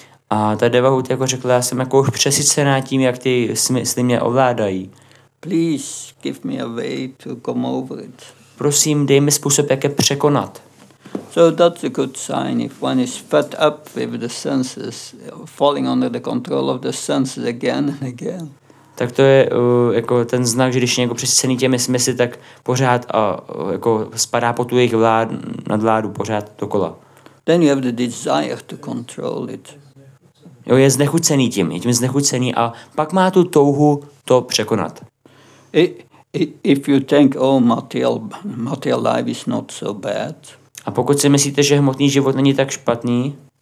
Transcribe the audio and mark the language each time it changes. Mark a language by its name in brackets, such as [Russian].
[Czech] A ta devahuta jako řekla, já jsem jako už přesycená tím, jak ty smysly mě ovládají. [English] Please give me a way to come over it. [Czech] Prosím, dej mi způsob, jak je překonat. [English] So that's a good sign. If one is fed up with the senses, falling under the control of the senses again and again. [Czech] Tak to je jako ten znak, že když je někdo přesycený těmi smysly, tak pořád jako spadá pod tu jejich nadvládu pořád dokola. [English] Then you have the desire to control it. [Czech] Jo, je znechucený a pak má tu touhu to překonat. [English] If you think, oh, material life is not so bad. [Czech] A pokud si myslíte, že hmotný život není tak špatný?